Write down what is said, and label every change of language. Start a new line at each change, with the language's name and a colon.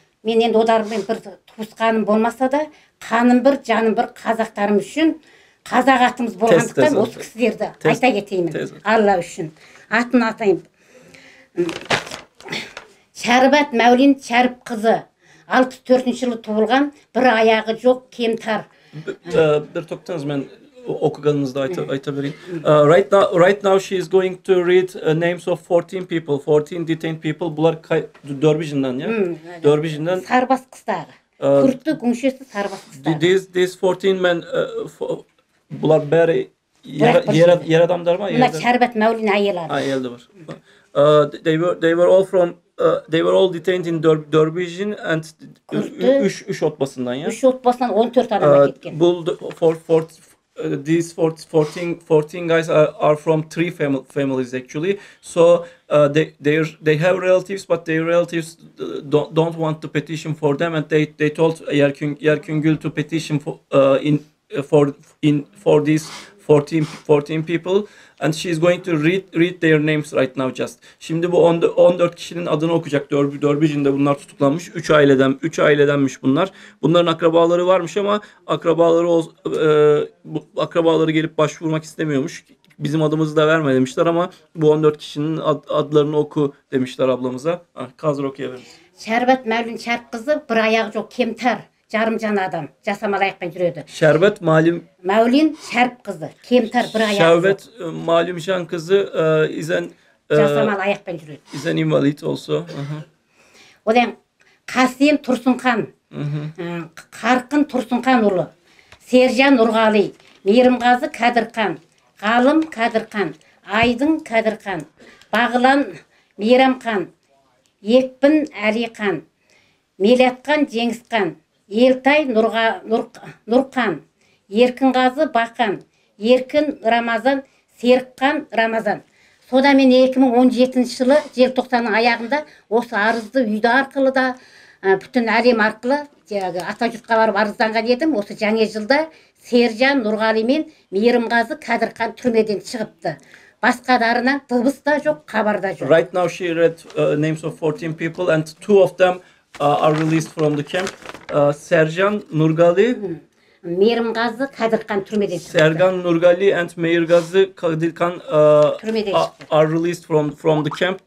Kazakh: Мен енді одармен бір туысқаным болмаса да, қаным бір, жаным бір қазақтарым үшін, қазақ атымыз болғандықтан осы кісілерді айта кетеймін. Алла үшін. Атын атайын. Шәрбат Мәулен Шәріпқызы. 64-ші жылы туылған, бір аяғы жоқ, кемтар. Бір тоқтаңыз мен оқығанымызды айта берейін.
English: Right now she is going to read names of 14 people, 14 detained people.
Kazakh: Бұлар Дөрбіжіннен, иә? Дөрбіжіннен. Сарбас қыздары. Күрті күншесі сарбас қыздары.
English: These 14 men,
Kazakh: бұлар бәрі ер адамдар ма? Бұлар Шәрбат Мәулен әйелдері. Әйелді бар.
English: They were all from they were all detained in Dörbijin and
Kazakh: 3 отбасынан, иә? 3 отбасынан 14 адам кеткен. Бұл
English: these 14 guys are from 3 families actually. So they have relatives but their relatives don't want to petition for them and they told Yerküngül to petition for these 14 people and she is going to read their names right now just.
Turkish: Şimdi bu 14 kişinin adını okuyacak. Dörbücünde bunlar tutuklanmış. Üç ailedenmiş bunlar. Bunların akrabaları varmış ama akrabaları gelip başvurmak istemiyormuş. Bizim adımızı da verme demişler ama bu 14 kişinin adlarını oku demişler ablamıza. Hazır okuyabilirim. Şerbet Mevlin Şerp kızı bir ayağı çok kemter.
Kazakh: Жарым жан адам жасамалаяқпен жүреді. Шәрбет Малим Мәулен Шәріп қызы, кемтар бір аяқ. Шәрбет Малим Жан қызы изен жасамалаяқпен жүреді. Изен инвалид болса. Одан Қасен Тұрсынхан. Қарқын Тұрсынханұлы. Сержан Нұрғали, Мейірімғазы Қадырқан, Ғалым Қадырқан, Айдын Қадырқан, Бағлан Мейрамқан, Екпін Әлиқан, Мелятқан Жеңісқан. Елтай Нұрқан, Еркінғазы Бақан, Еркін Рамазан, Серікқан Рамазан. Сода мен 2017 жылы 90-ның аяғында осы арызды үйді арқылы да, бүтін әлем арқылы ата жұртқа барып арызданған едім. Осы жаңа жылда Сержан Нұрғали мен Мейірімғазы Қадырқан түрмеден шығыпты. Басқадарына дыбыс та жоқ, қабар да жоқ.
English: Right now she read names of 14 people and two of them are released from the camp.
Turkish: Serjan Nurgali, Mehirgazi Kadirkan türmeden çıktı.
English: Serjan Nurgali and Mehirgazi Kadirkan are released from the camp.